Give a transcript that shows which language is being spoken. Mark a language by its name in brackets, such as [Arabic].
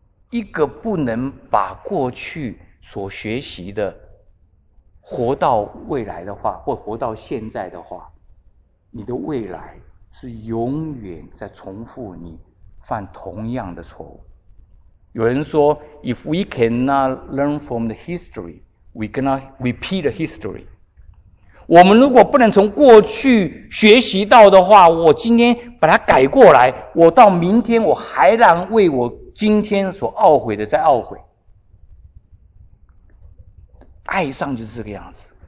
[Chinese] 一个不能把过去所学习的活到未来的话，或活到现在的话，你的未来是永远在重复你犯同样的错误。有人说 [English] ,If we cannot learn from the history,We cannot repeat history. [Chinese] 我们如果不能从过去学习到的话，我今天把它改过来，我到明天我还能为我今天所懊悔的再懊悔。爱上就是这个样子。